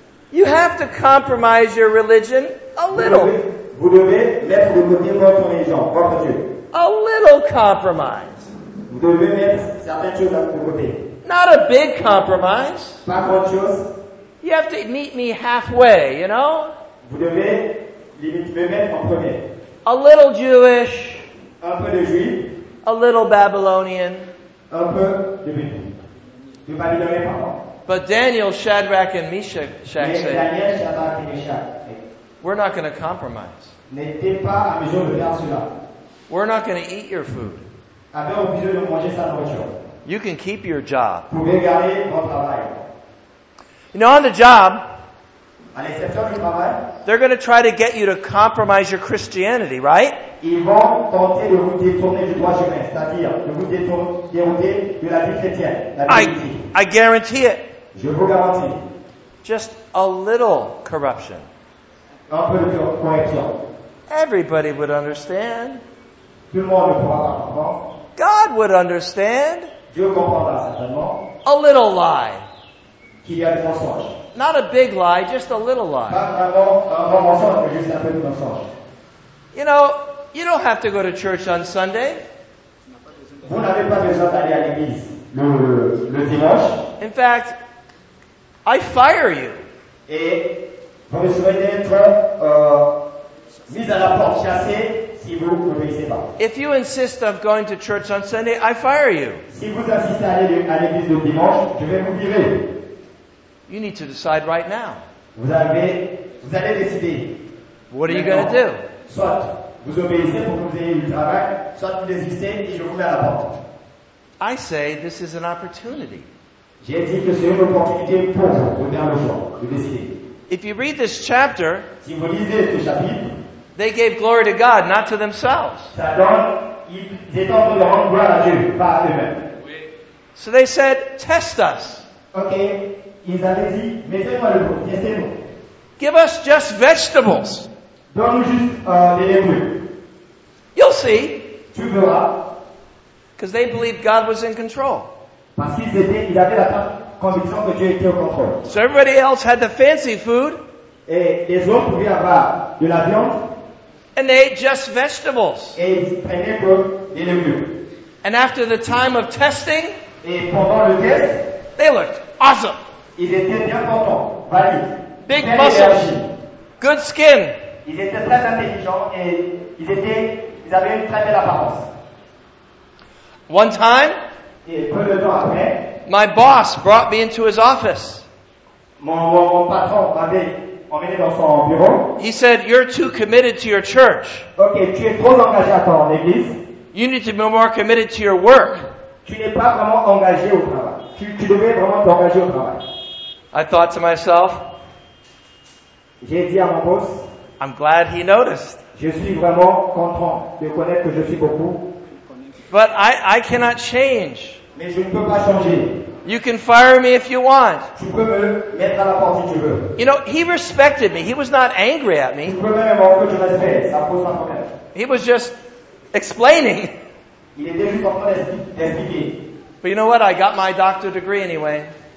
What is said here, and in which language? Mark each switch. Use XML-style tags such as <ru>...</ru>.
<en>You have to compromise your religion a little.</en> <fr>Vous devez mettre de côté votre religion, votre Dieu.</fr> <en>A little compromise.</en> <fr>Vous devez mettre certaines choses de côté.</fr> <en>Not a big compromise.</en> <fr>Pas grand chose.</fr> <en>You have to meet me halfway, you know?</en> <fr>Vous devez limite me mettre en premier.</fr> <en>A little Jewish.</en> <fr>Un peu de Juif.</fr> <en>A little Babylonian.</en> <fr>Un peu de Babylonien, pardon.</fr> <en>But Daniel, Shadrach, and Meshach say,</en> <fr>Daniel, Shadrach, et Meshach,</fr> <en>we're not going to compromise.</en> <fr>N'était pas à mesure de faire cela.</fr> <en>We're not going to eat your food.</en> <fr>Avez-vous besoin de manger sa nourriture.</fr> <en>You can keep your job.</en> <fr>Vous pouvez garder votre travail.</fr> <en>You know, on the job,</en> <fr>à l'exception du travail,</fr> <en>they're going to try to get you to compromise your Christianity, right?</en> <fr>Ils vont tenter de vous détourner du droit chemin, c'est-à-dire de vous dérouter de la vie chrétienne, la vie</fr> <en>chrétienne. I guarantee it.</en> <fr>Je vous garantis.</fr> <en>Just a little corruption.</en> <fr>Un peu de correction.</fr> <en>Everybody would understand.</en> <fr>Tout le monde comprendra, non?</fr> <en>God would understand.</en> <fr>Dieu comprendra certainement.</fr> <en>A little lie.</en> <fr>Qu'il y a des mensonges.</fr> <en>Not a big lie, just a little lie.</en> <fr>Pas un grand mensonge, mais juste un peu de mensonge.</fr> <en>You know, you don't have to go to church on Sunday.</en> <fr>Vous n'avez pas besoin d'aller à l'église le dimanche.</fr> <en>In fact, I fire you.</en> <fr>Et vous serez être mis à la porte, chassé, si vous ne obéissez pas.</fr> <en>If you insist on going to church on Sunday, I fire you.</en> <fr>Si vous insistez à aller à l'église le dimanche, je vais vous virer.</fr> <en>You need to decide right now.</en> <fr>Vous allez décider.</fr> <en>What are you going to do?</en> <fr>Soit vous obéissez pour que vous ayez du travail, soit vous désistez et je vous mets à la porte.</fr> <en>I say this is an opportunity.</en> <fr>J'ai dit que c'est une opportunité pour vous, pour bien le choix, de décider.</fr> <en>If you read this chapter,</en> <fr>si vous lisez ce chapitre,</fr> <en>they gave glory to God, not to themselves.</en> <fr>Ça donne, ils étendent leur gloire à Dieu, pas à eux-mêmes. Oui.</fr> <en>So they said, test us.</en> <fr>Ok, ils avaient dit, mettez-moi le pot, testez-nous.</fr> <en>Give us just vegetables.</en> <fr>Donne-nous juste des légumes.</fr> <en>You'll see.</en> <fr>Tu verras.</fr> <en>Because they believed God was in control.</en> <fr>Parce qu'ils étaient, ils avaient la part. Conviction que Dieu était au contrôle.</fr> <en>So everybody else had the fancy food.</en> <fr>Et les autres pouvaient avoir de la viande.</fr> <en>And they ate just vegetables.</en> <fr>Et ils prenaient pour des légumes.</fr> <en>And after the time of testing.</en> <fr>Et pendant le test.</fr> <en>They looked awesome.</en> <fr>Ils étaient bien contents, valides.</fr> <en>Big muscles. Good skin.</en> <fr>Ils étaient très intelligents et ils avaient une très belle apparence.</fr> <en>One time.</en> <fr>Et peu de temps après.</fr> <en>My boss brought me into his office.</en> <fr>Mon patron m'avait emmené dans son bureau.</fr> <en>He said, you're too committed to your church.</en> <fr>Okay, tu es trop engagé à ton église.</fr> <en>You need to be more committed to your work.</en> <fr>Tu n'es pas vraiment engagé au travail. Tu devais vraiment t'engager au travail.</fr> <en>I thought to myself,</en> <fr>j'ai dit à mon boss,</fr> <en>I'm glad he noticed.</en> <fr>Je suis vraiment content de connaître que je suis beaucoup.</fr> <en>But I cannot change.</en> <fr>Mais je ne peux pas changer.</fr> <en>You can fire me if you want.</en> <fr>Tu peux me mettre à la porte si tu veux.</fr> <en>You know, he respected me. He was not angry at me.</en> <fr>Tu peux même avoir que je respecte. Ça pose pas problème.</fr> <en>He was just explaining.</en> <fr>Il était juste en train d'expliquer.</fr> <en>But you know what? I got my doctor degree anyway.</en>